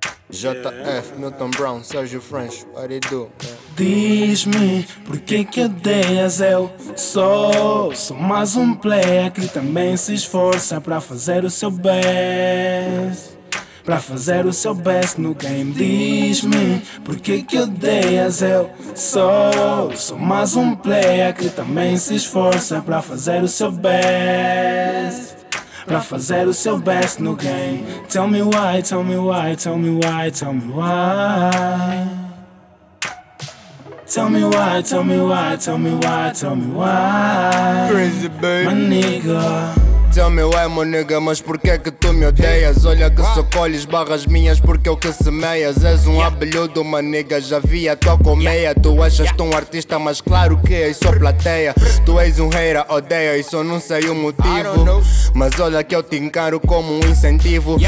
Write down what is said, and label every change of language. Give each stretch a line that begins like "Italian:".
English: JF, Milton Brown, Sérgio French, what it do?
Portuguese: Diz-me, por que que odeias eu? Sou mais um player que também se esforça pra fazer o seu best. Pra fazer o seu best no game. Diz-me, por que que odeias eu? Sou mais um player que também se esforça pra fazer o seu best. Pra fazer o seu best no game.
English: Tell me why, tell me why, tell me why, tell me why. Tell me why, tell me why, tell me why, tell me why. Crazy baby, my nigga. Tell me why,
Portuguese: meu nigga, mas por que que tu me odeias? Olha que só colhes barras minhas porque é o que semeias. És um abelhudo, uma nigga, já vi a tua colmeia. Tu achas tu um artista, mas claro que és só plateia. Tu és um hater, odeia, isso não sei o motivo. Mas olha que eu te encaro como um incentivo.